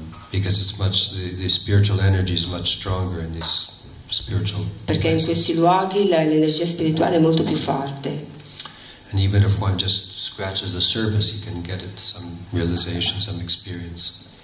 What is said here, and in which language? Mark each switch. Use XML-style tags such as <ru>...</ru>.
<en>Because it's much, the spiritual energy is much stronger in this spiritual.</en> <it>Perché in questi luoghi l'energia spirituale è molto più forte.</it> <en>And even if one just scratches the surface, he can get it some realization, some experience.</en>